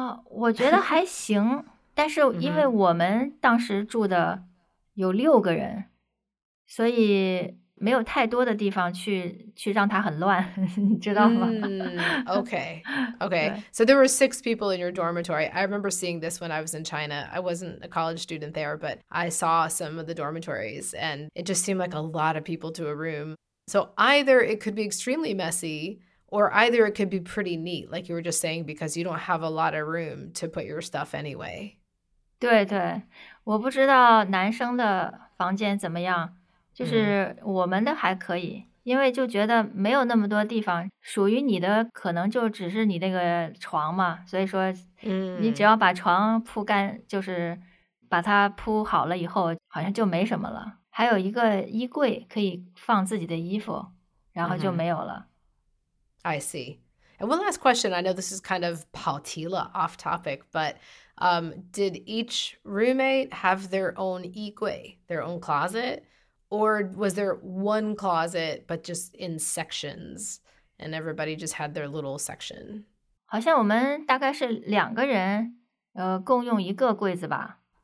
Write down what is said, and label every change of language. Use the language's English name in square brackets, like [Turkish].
[Chinese] 我觉得还行，但是因为我们当时住的有六个人，所以没有太多的地方去让它很乱，你知道吗？ [English] Okay. So there were six people in your dormitory. I remember seeing this when I was in China. I wasn't a college student there, but I saw some of the dormitories and it just seemed like a lot of people to a room. So either it could be extremely messy or either it could be pretty neat, like you were just saying, because you don't have a lot of room to put your stuff anyway. [Chinese] 对对，我不知道男生的房间怎么样。就是我们的还可以、因为就觉得没有那么多地方属于你的，可能就只是你那个床嘛，所以说你只要把床铺干，就是把它铺好了以后好像就没什么了，还有一个衣柜可以放自己的衣服，然后就没有了。 [English] Mm-hmm. I see. And one last question. I know this is kind of [Chinese] 跑题了, [English] off topic, but did each roommate have their own 衣柜, their own closet? Or was there one closet, but just in sections, and everybody just had their little section? [Chinese] 好像我们大概是两个人共用一个柜子吧。